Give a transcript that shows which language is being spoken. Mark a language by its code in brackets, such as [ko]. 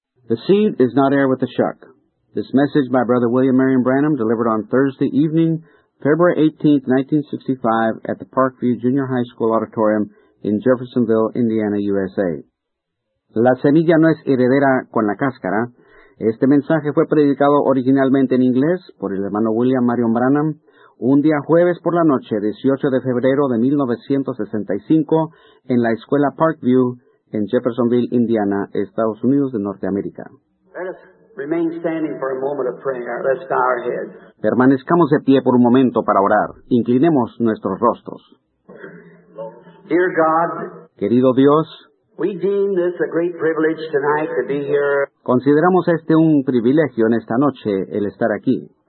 [en] The Seed is Not Air with the Shuck. This message by Brother William Marion Branham, delivered on Thursday evening, February 18, 1965, at the Parkview Junior High School Auditorium in Jeffersonville, Indiana, USA. [es] La semilla no es heredera con la cáscara. Este mensaje fue predicado originalmente en inglés por el hermano William Marion Branham, un día jueves por la noche, 18 de febrero de 1965, en la escuela Parkview, en Jeffersonville, Indiana, Estados Unidos de Norteamérica. [en] Let us remain standing for a moment of prayer. Let's bow our heads. [es] Permanezcamos de pie por un momento para orar. Inclinemos nuestros rostros. [en] Dear God, [es] querido Dios, [en] we deem this a great privilege tonight to be here. [es] Consideramos este un privilegio en esta noche, el estar aquí.